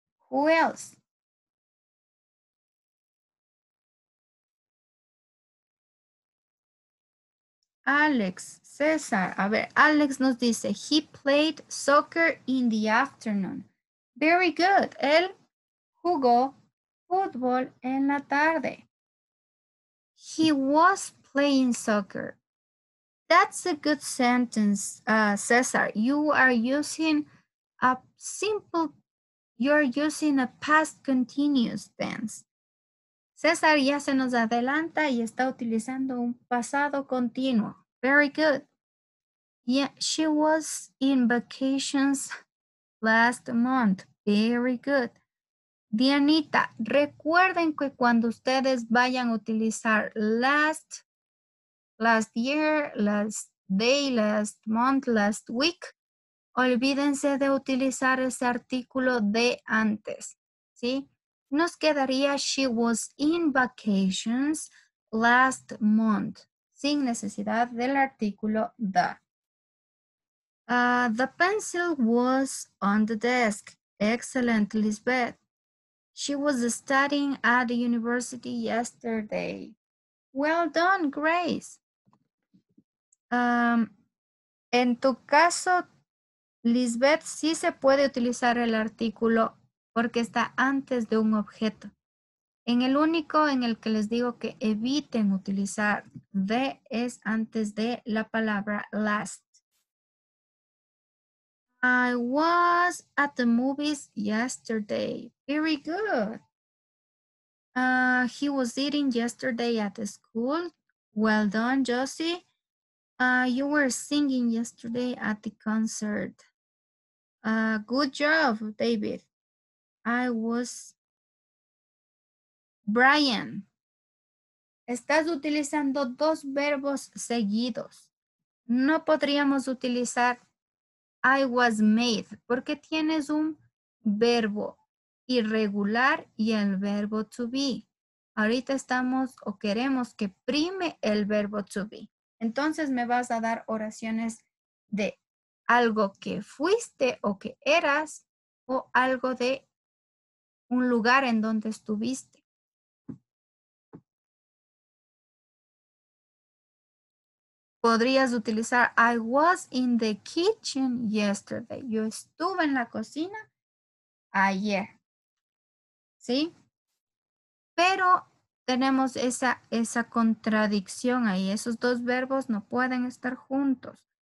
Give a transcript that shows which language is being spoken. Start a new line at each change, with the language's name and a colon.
English: Who else? Alex, César, a ver, Alex nos dice, he played soccer in the afternoon. Very good.
Spanish: Él jugó fútbol en la tarde.
English: He was playing soccer. That's a good sentence, César. You are using a simple, you're using a past continuous tense.
Spanish: César ya se nos adelanta y está utilizando un pasado continuo. Very good.
English: Yeah, she was in vacations last month. Very good.
Spanish: Dianita, recuerden que cuando ustedes vayan a utilizar last, last year, last day, last month, last week, olvídense de utilizar ese artículo de antes, ¿sí? Nos quedaría she was in vacations last month, sin necesidad del artículo the.
English: The pencil was on the desk. Excellent, Lisbeth. She was studying at the university yesterday. Well done, Grace.
Spanish: En tu caso, Lisbeth, sí se puede utilizar el artículo porque está antes de un objeto. En el único en el que les digo que eviten utilizar the es antes de la palabra last.
English: I was at the movies yesterday. Very good. He was eating yesterday at the school. Well done, Josie. You were singing yesterday at the concert. Good job, David. I was... Brian.
Spanish: Estás utilizando dos verbos seguidos. No podríamos utilizar... I was made, porque tienes un verbo irregular y el verbo to be. Ahorita estamos o queremos que prime el verbo to be. Entonces me vas a dar oraciones de algo que fuiste o que eras o algo de un lugar en donde estuviste.
English: Podrías utilizar, I was in the kitchen yesterday.
Spanish: Yo estuve en la cocina ayer. ¿Sí? Pero tenemos esa contradicción ahí. Esos dos verbos no pueden estar juntos.